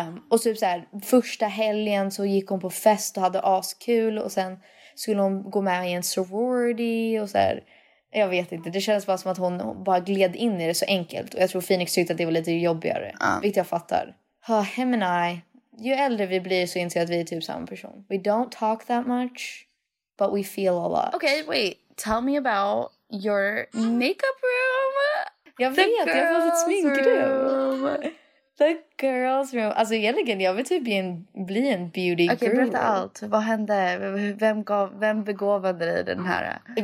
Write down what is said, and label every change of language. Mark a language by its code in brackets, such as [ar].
[sv] Och typ så här, första helgen så gick hon på fest och hade askul och sen skulle hon gå med i en sorority och så här, jag vet inte, det känns bara som att hon bara gled in i det så enkelt och jag tror Phoenix tyckte att det var lite jobbigare, vilket jag fattar. [en] Him and I, [sv] ju äldre vi blir så inser jag att vi är typ samma person. [en] We don't talk that much, but we feel a lot. Okay, wait. Tell me about your makeup room. [sv] Jag vet, jag har fått ett sminkrum. [en] The girls room. [sv] Alltså egentligen, jag vill typ bli en beauty group. Okej, okay, berätta allt. Vad hände? Vem begåvade dig den här?